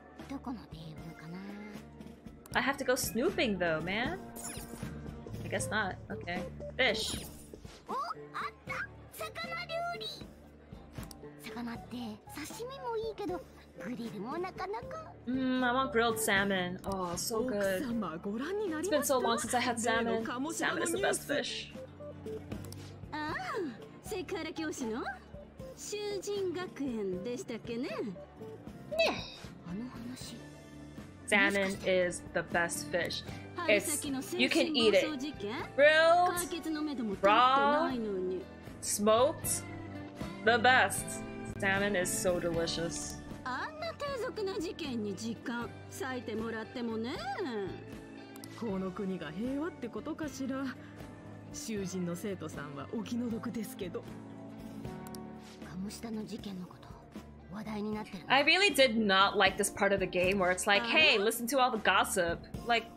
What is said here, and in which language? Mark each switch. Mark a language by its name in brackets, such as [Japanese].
[Japanese] どこのテーブルかな? [English] I have to go snooping though, man. I guess not. Okay. Fish. [Japanese] お、あった!魚料理! 魚って刺身もいいけど、 [English] I want grilled salmon. Oh, so good. It's been so long since I had salmon. Salmon is the best fish. [Japanese] セクハラ教師の囚人学園でしたっけね。ね。 [English] Salmon is the best fish. It's you can eat it grilled, raw, smoked. The best. Salmon is so delicious. [Japanese] 事件に時間割いてもらってもね。この国が平和ってことかしら。囚人の生徒さんはお気の毒ですけど。鴨志田の事件のこと話題になってる。 [English] I really did not like this part of the game where it's like, hey, listen to all the gossip. Like,